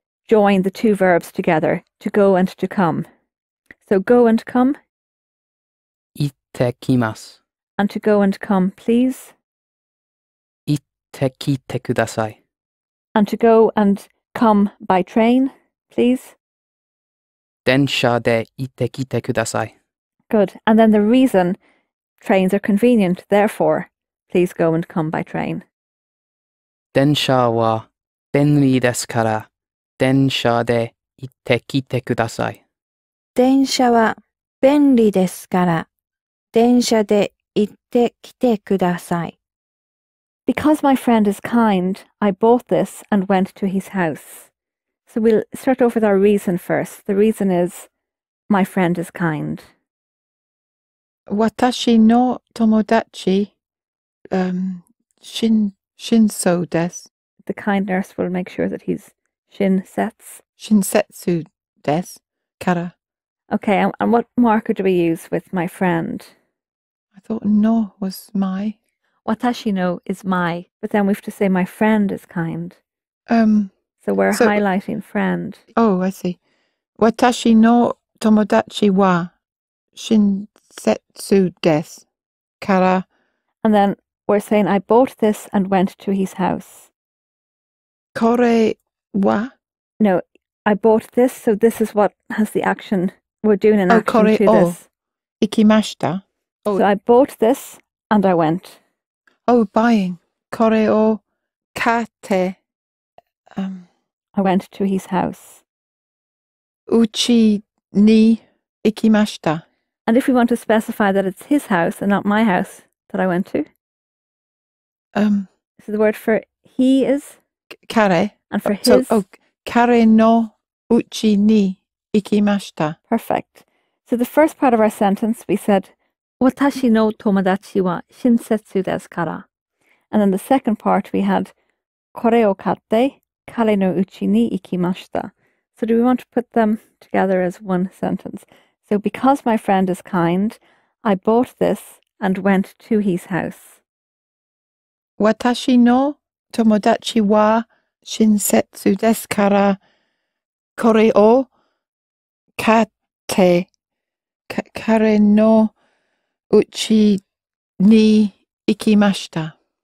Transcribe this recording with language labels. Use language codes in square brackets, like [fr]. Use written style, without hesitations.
[en] join the two verbs together, to go and to come. So go and come. [ja] 行ってきます。 [en] And to go and come, please. [ja] 行ってきてください。 [en] And to go and come by train, please. [ja] 電車で行ってきてください。 [en] Good. And then the reason, trains are convenient, therefore, please go and come by train. [ja] 電車は便利ですから、電車で行ってきてください。電車は便利ですから、電車で行ってきてください。 [en] Because my friend is kind, I bought this and went to his house. So we'll start off with our reason first. The reason is, my friend is kind. [ja] 私の友達、心そうです。 [en] The kind nurse will make sure that he's 心節。 [ja] 心節です。から。 [en] Okay, and what marker do we use with my friend? I thought no was my. 私の is my, but then we have to say my friend is kind. So we're highlighting friend. Oh, I see. [ja] 私の友達は親切ですから。 [en] And then we're saying I bought this and went to his house. これは? No, I bought this, so this is what has the action. We're doing an action to this. [ja] Oh, これを行きました。 [en] So I bought this and I went. Oh, buying. [ja] これを買って。 [en] I went to his house. [ja] うちに行きました。 [en] And if we want to specify that it's his house and not my house that I went to? So the word for he is? [ja] Kare. [en] And for his? [ja] So, kare no uchi ni ikimashita. [en] Perfect. So the first part of our sentence we said, [ja] watashi no tomodachi wa shinsetsu desu kara. [en] And then the second part we had, [ja] kore o katte, kare no uchi ni ikimashita. [en] So do we want to put them together as one sentence? So because my friend is kind, I bought this and went to his house. [ja] 私の友達は親切ですから、これを買って、彼のうちに行きました。